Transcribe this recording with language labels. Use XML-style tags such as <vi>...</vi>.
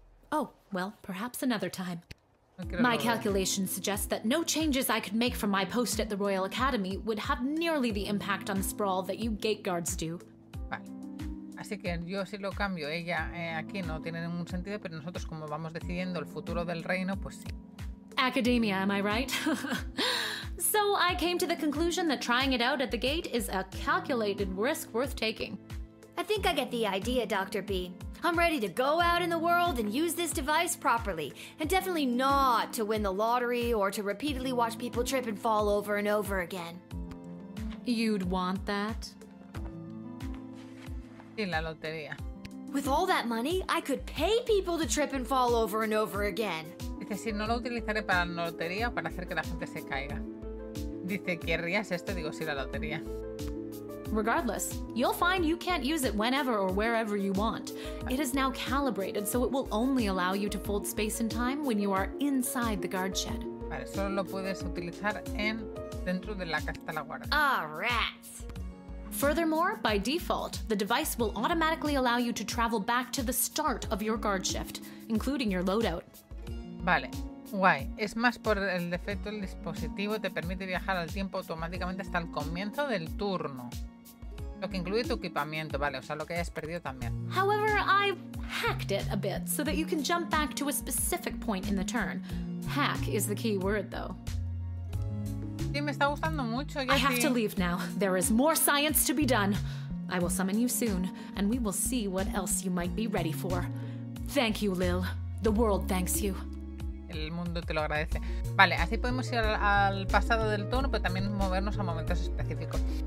<en>Oh, well, perhaps another time. My calculations suggest that no changes I could make from my post at the Royal Academy would have nearly the impact on the sprawl that you gate guards do.</en> <es>Así que yo si lo cambio, ella aquí no tiene ningún sentido, pero nosotros como vamos decidiendo el futuro del reino, pues sí.</es> <en>Academia, am I right? So I came to the conclusion that trying it out at the gate is a calculated risk worth taking. I think I get the idea, Dr. B. I'm ready to go out in the world and use this device properly, and definitely not to win the lottery or to repeatedly watch people trip and fall over and over again. You'd want that?</en> <es>In la lotería.</es> <en>With all that money, I could pay people to trip and fall over and over again.</en> <es>Dice, si no lo utilizaré para la lotería o para hacer que la gente se caiga. Dice, ¿querrías esto? Digo, sí, la lotería.</es> <en>Regardless, you'll find you can't use it whenever or wherever you want. It is now calibrated, so it will only allow you to fold space and time when you are inside the guard shed.</en> <es>Vale, solo lo puedes utilizar en dentro de la casa de la guardia.</es> <en>Ah, rats! Furthermore, by default, the device will automatically allow you to travel back to the start of your guard shift, including your loadout.</en> <es>Vale, guay. Es más, por el defecto del dispositivo te permite viajar al tiempo automáticamente hasta el comienzo del turno. Lo que incluye tu equipamiento, vale, o sea, lo que hayas perdido también.</es> <en>However, I hacked it a bit so that you can jump back to a specific point in the turn. Hack is the key word, though.</en> <es>Sí, me está gustando mucho.</es> <en>I have to leave now. There is more science to be done. I will summon you soon, and we will see what else you might be ready for. Thank you, Lil. The world thanks you.</en> <es>El mundo te lo agradece. Vale, así podemos ir al pasado del turno, pero también movernos a momentos específicos.</es>